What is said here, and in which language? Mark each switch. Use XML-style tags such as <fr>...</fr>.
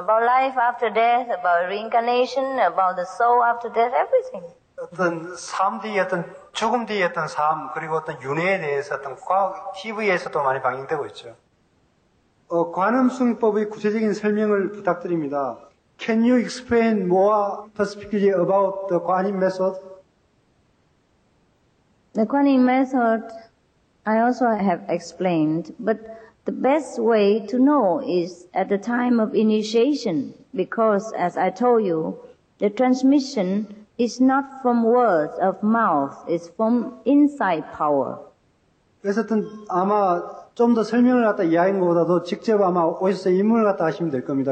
<en>About life after death, about reincarnation, about the soul after death, everything.</en> <ko>어떤 삶 뒤에 어떤 죽음 뒤에 어떤 삶 그리고 어떤 윤회에 대해서 어떤 과학 TV에서도 많이 방영되고 있죠. 관음승법의 구체적인 설명을 부탁드립니다.</ko> <en>Can you explain more specifically about the 관음 method? The Kuan Yin method, I also have explained, but the best way to know is at the time of initiation, because as I told you, the transmission is not from words of mouth, it's from inside power.</en> <ko>그래서 아마 좀 더 설명을 갖다 이해한 것보다도 직접 아마 오셔서 입문을 갖다 하시면 될 겁니다.</ko>